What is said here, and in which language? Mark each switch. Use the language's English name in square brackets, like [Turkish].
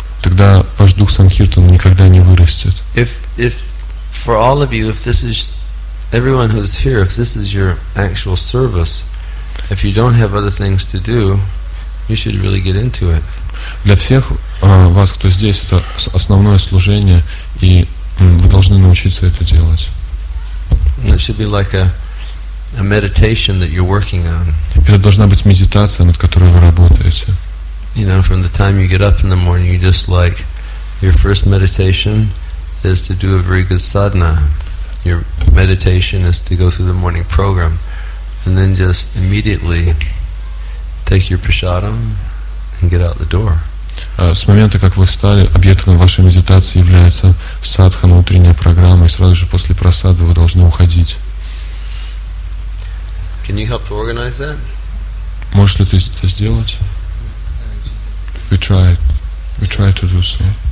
[Russian] Тогда ваш дух санкиртан никогда не вырастет. [English] If for all of you, if this is everyone who's here, if this is your actual service, if you don't have other things to do, you should really get into it. [Russian] Для всех вас, кто здесь, это основное служение, и вы должны научиться это делать. [English] It should be like a meditation that you're working on. [Russian] Это должна быть медитация, над которой вы работаете. [English] You know, from the time you get up in the morning, you just like your first meditation is to do a very good sadhana. Your meditation is to go through the morning program, and then just immediately take your prasadam and get out the door. [Russian] С момента, как вы встали, объектом вашей медитации является садхана, утренняя программа, и сразу же после просады вы должны уходить. [English] Can you help to organize that? [Russian] Можешь ли ты это сделать? [English] tried. We tried to do so.